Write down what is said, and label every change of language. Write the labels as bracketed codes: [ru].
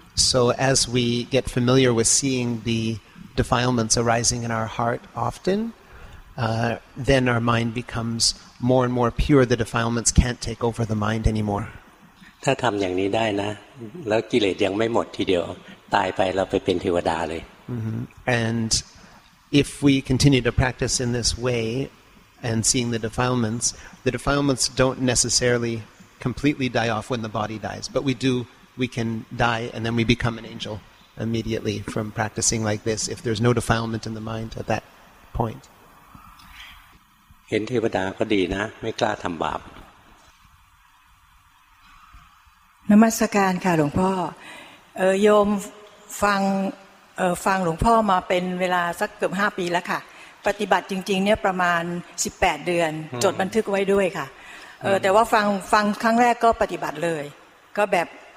[en] So as we get familiar with seeing the defilements arising in our heart often, then our mind becomes... more and more pure the defilements can't take over the mind anymore [th] ถ้าทําอย่างนี้ได้นะแล้วกิเลสยังไม่หมดทีเดียวตายไปเราไปเป็นเทวดาเลย [en] and if we continue to practice in this way and seeing the defilements don't necessarily completely die off when the body dies but we can die and then we become an angel immediately from practicing like this if there's no defilement in the mind at that point [th] เห็นเทวดาก็ดีนะไม่กล้าทำบาป นมัสการค่ะหลวงพ่อโยมฟังหลวงพ่อมาเป็นเวลาสักเกือบ5ปีแล้วค่ะปฏิบัติจริงๆเนี่ยประมาณ18เดือนจดบันทึกไว้ด้วยค่ะแต่ว่าฟังครั้งแรกก็ปฏิบัติเลยก็แบบ